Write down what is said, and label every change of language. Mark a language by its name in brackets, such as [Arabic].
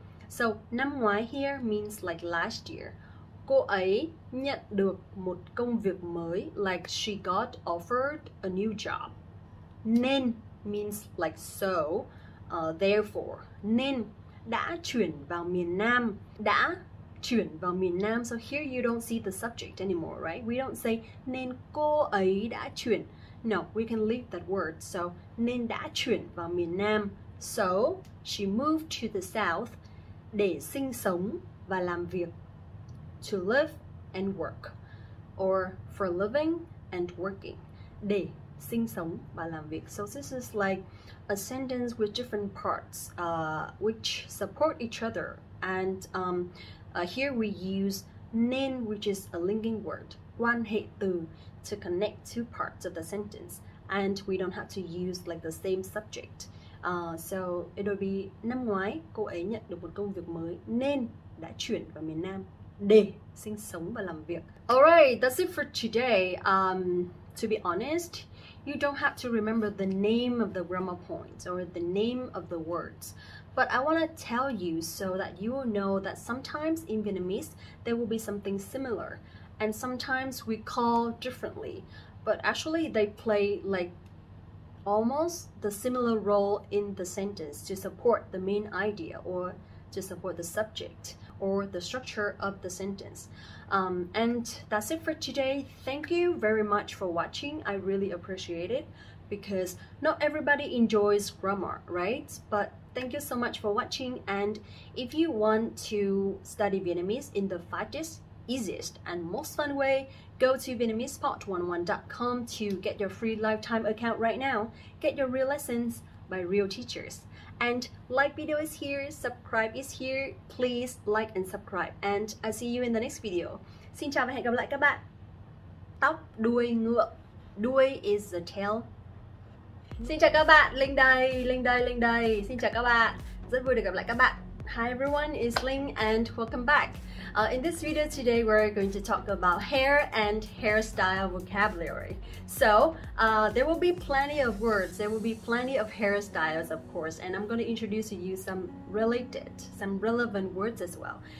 [English] So, [Vietnamese] năm ngoái [English] here means like last year. [Vietnamese] Cô ấy nhận được một công việc mới, [English] like she got offered a new job. [Vietnamese] Nên [English] means like so. Therefore, [Vietnamese] nên đã chuyển vào miền Nam. Đã chuyển vào miền Nam. [English] So here you don't see the subject anymore, right? We don't say [Vietnamese] nên cô ấy đã chuyển. [English] No, we can leave that word. [Vietnamese] So nên đã chuyển vào miền Nam. [English] So she moved to the south [Vietnamese] để sinh sống và làm việc. [English] To live and work. Or for living and working. [Vietnamese] Để sinh sống và làm việc. [English] So this is like a sentence with different parts which support each other. And here we use nên, which is a linking word, [Vietnamese] quan hệ từ, [English] to connect two parts of the sentence. And we don't have to use like the same subject. So it'll be [Vietnamese] năm ngoái cô ấy nhận được một công việc mới nên đã chuyển vào miền Nam để sinh sống và làm việc. [English] Alright, that's it for today. To be honest, you don't have to remember the name of the grammar points or the name of the words. But I want to tell you so that you will know that sometimes in Vietnamese, there will be something similar. And sometimes we call differently. But actually, they play like almost the similar role in the sentence to support the main idea or to support the subject or the structure of the sentence. And that's it for today. Thank you very much for watching. I really appreciate it because not everybody enjoys grammar, right? But thank you so much for watching. And if you want to study Vietnamese in the fastest, easiest, and most fun way, Go to VietnamesePod101.com to get your free lifetime account right now. Get your real lessons by real teachers. And like video is here, subscribe is here. Please like and subscribe. And I see you in the next video. [Vietnamese] Xin chào và hẹn gặp lại các bạn. Tóc đuôi ngựa. Đuôi [English] is the tail. [Vietnamese] Xin chào các bạn, Linh đây. Xin chào các bạn. Rất vui được gặp lại các bạn. [English] Hi everyone, it's Linh and welcome back. In this video today, we're going to talk about hair and hairstyle vocabulary. So there will be plenty of words, there will be plenty of hairstyles, of course, and I'm going to introduce to you some related, some relevant words as well.